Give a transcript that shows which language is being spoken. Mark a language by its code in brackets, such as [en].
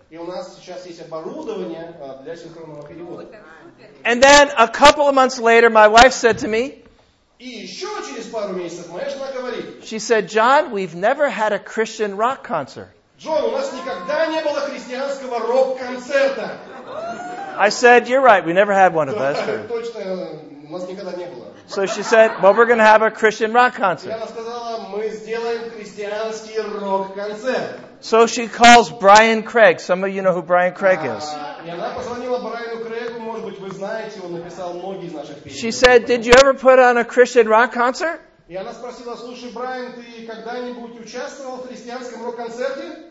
[ru] И у нас сейчас есть оборудование для синхронного перевода. [en] And then a couple of months later, my wife said to me, [ru] и еще через пару месяцев моя жена говорит, [en] she said, John, we've never had a Christian rock concert. [ru] Джон, у нас никогда не было христианского рок-концерта. [en] I said, you're right, we never had one of those. [ru] Точно, у нас никогда не было. [en] So she said, well, we're going to have a Christian rock concert. [ru] И она сказала, мы сделаем христианский рок-концерт. [en] So she calls Brian Craig. Some of you know who Brian Craig is. [ru] И она позвонила Брайану Крейгу. Может быть, вы знаете, он написал многие из наших песен. [en] She said, did you ever put on a Christian rock concert? [ru] И она спросила, слушай, Брайан, ты когда-нибудь участвовал в христианском рок-концерте?